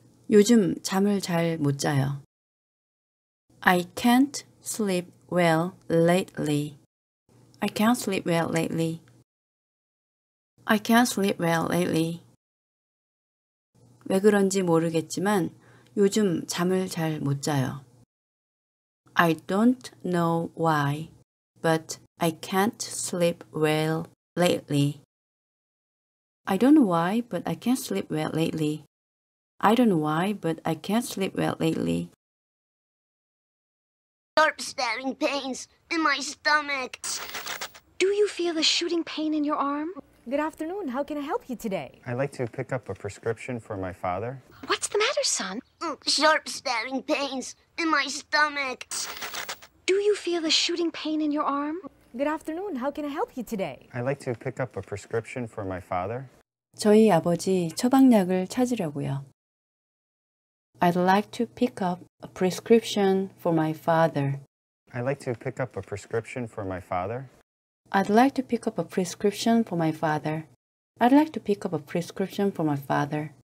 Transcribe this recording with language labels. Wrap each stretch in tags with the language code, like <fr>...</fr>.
<ko>요즘 잠을 잘 못 자요.</ko> <en>I can't sleep well lately. I can't sleep well lately. I can't sleep well lately.</en> <ko>왜 그런지 모르겠지만 요즘 잠을 잘 못 자요.</ko> <en>I don't know why, but I can't sleep well lately. I don't know why, but I can't sleep well lately. I don't know why, but I can't sleep well lately. Sharp stabbing pains in my stomach. Do you feel a shooting pain in your arm? Good afternoon. How can I help you today? I'd like to pick up a prescription for my father. What's the matter, son? Sharp stabbing pains in my stomach. Do you feel a shooting pain in your arm? Good afternoon. How can I help you today? I'd like to pick up a prescription for my father.</en> <ko>저희 아버지 처방약을 찾으려고요.</ko> <en>I'd like to pick up a prescription for my father. I'd like to pick up a prescription for my father. I'd like to pick up a prescription for my father. I'd like to pick up a prescription for my father.</en>